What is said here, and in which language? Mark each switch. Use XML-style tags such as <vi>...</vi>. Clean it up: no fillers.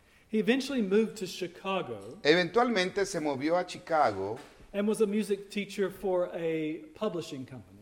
<en>He eventually moved to Chicago.</en> <es>Eventualmente se movió a Chicago.</es> <en>And was a music teacher for a publishing company.</en>